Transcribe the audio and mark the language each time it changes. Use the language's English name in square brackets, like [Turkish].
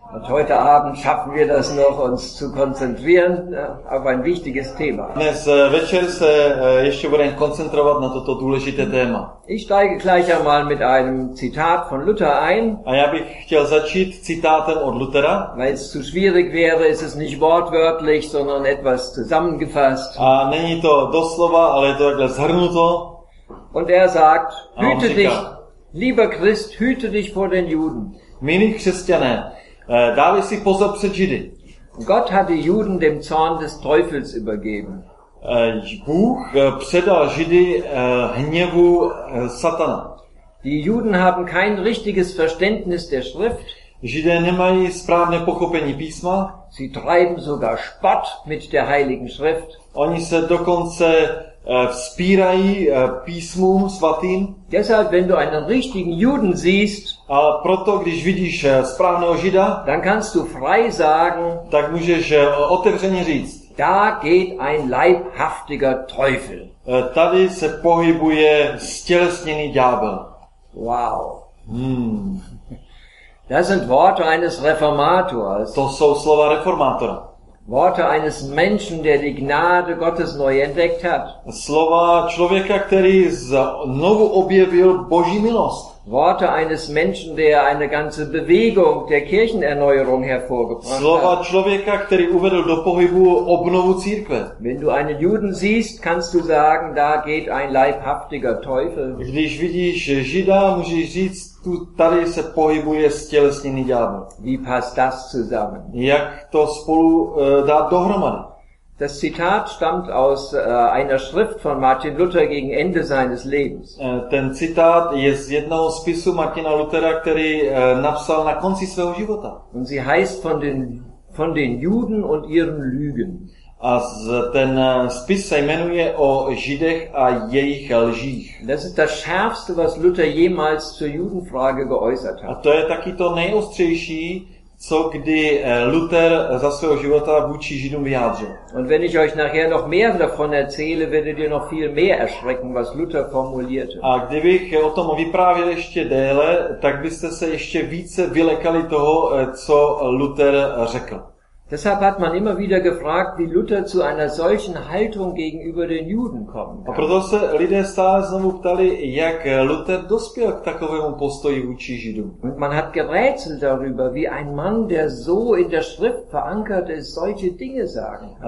[German] Und heute Abend schaffen wir das noch, uns zu konzentrieren auf ein wichtiges Thema. [Czech] Dnes večer se ještě budeme koncentrovat na toto důležité téma. [German] Ich steige gleich einmal mit einem Zitat von Luther ein. [Czech] A já bych chtěl začít citátem od Luthera. [German] Weil es zu schwierig wäre, ist es nicht wortwörtlich, sondern etwas zusammengefasst. [Czech] A není to doslova, ale je to takhle zhrnuto. [German] Und er sagt, hüte dich, lieber Christ, hüte dich vor den Juden. [Czech] Milí křesťané, dávej si pozor před Židy. [German] Gott hat die Juden dem Zorn des Teufels übergeben. [Czech] Bůh předal Židy hněvu Satana. [German] Die Juden haben kein richtiges Verständnis der Schrift. [Czech] Židé nemají správné pochopení písma. [German] Sie treiben sogar Spott mit der Heiligen Schrift. [Czech] Oni se dokonce vzpírají písmům svatým. [German] Deshalb, wenn du einen richtigen Juden siehst, [Czech] a proto, když vidíš správného Žida, [German] dann kannst du frei sagen, [Czech] tak můžeš otevřeně říct, [German] da geht ein leibhaftiger Teufel. [Czech] Tady se pohybuje stělesněný ďábel. Wow. [German] Das sind Worte eines Reformators. [Czech] To jsou slova reformátora. [German] Worte eines Menschen, der die Gnade Gottes neu entdeckt hat. [Czech] Slova člověka, který znovu objevil Boží milost. [German] Worte eines Menschen, der eine ganze Bewegung der Kirchenerneuerung hervorgebracht hat. [Czech] Slova člověka, který uvedl do pohybu obnovu církve. [German] Wenn du einen Juden siehst, kannst du sagen, da geht ein leibhaftiger Teufel. [Czech] Když vidíš Žida, můžeš říct, tu tady se pohybuje stělesněný ďábel. [German] Wie passt das zusammen? [Czech] Jak to spolu dát dohromady? [German] Das Zitat stammt aus einer Schrift von Martin Luther gegen Ende seines Lebens. [Czech] Ten Zitat je z jednoho spisu Martina Luthera, který napsal na konci svého života. [German] Und sie heißt von den Juden und ihren Lügen. [Czech] A ten spis se jmenuje o Židech a jejich lžích. [German] Das ist das Schärfste, was Luther jemals zur Judenfrage geäußert hat. [Czech] A to je taky to nejostřejší, co kdy Luther za svého života vůči Židům vyjádřil. [German] Und wenn ich euch nachher noch mehr davon erzähle, werdet ihr noch viel mehr erschrecken, was Luther formulierte. [Czech] A kdybych o tom vyprávěl ještě déle, tak byste se ještě více vylekali toho, co Luther řekl. [German] Deshalb hat man immer wieder gefragt, wie Luther zu einer solchen Haltung gegenüber den Juden kommen kann. [Czech] A proto se lidé stále znovu ptali, jak Luther dospěl k takovému postoji vůči Židům. [German] Und man hat gerätselt darüber, wie ein Mann, der so in der Schrift verankert ist, solche Dinge sagen kann.